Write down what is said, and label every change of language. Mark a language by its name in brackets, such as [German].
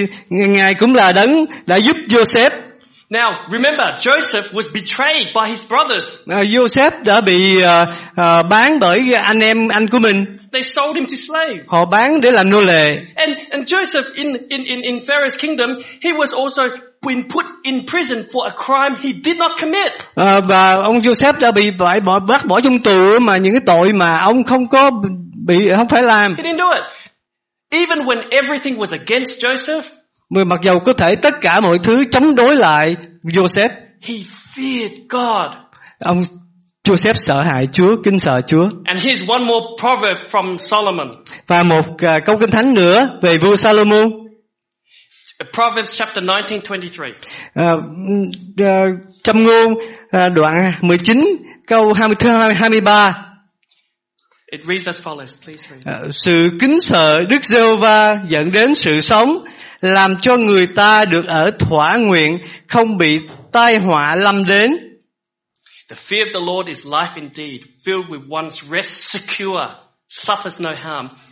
[Vietnamese] Ngài cũng là đấng đã giúp Joseph. [English] Now, remember, Joseph was betrayed by his brothers. [Vietnamese] Joseph đã bị bán bởi anh của mình. [English] They sold him to slave. [Vietnamese] Họ bán để làm nô lệ. [English] And Joseph in Pharaoh's kingdom, he was also been put in prison for a crime he did not commit. [Vietnamese] Và ông Joseph đã bị bắt bỏ trong tù mà những cái tội mà ông không có bị không phải làm. [English] He didn't do it. Even when everything was against Joseph, [Vietnamese] mặc dù có thể tất cả mọi thứ chống đối lại Joseph, [English] he feared God. [Vietnamese] Ông Joseph sợ hãi Chúa, kính sợ Chúa. [English] And here's one more proverb from Solomon. [Vietnamese] Và một câu kinh thánh nữa về vua Solomon. [English] Proverbs chapter 19:23. [Vietnamese] Châm ngôn đoạn 19 câu 23. [English] It reads as follows, please read. [Vietnamese] Sự kính sợ Đức Giê-hô-va dẫn đến sự sống, làm cho người ta được ở thỏa nguyện, không bị tai họa lâm đến. [English] The fear of the Lord is life indeed, filled with one's rest secure, suffers no harm.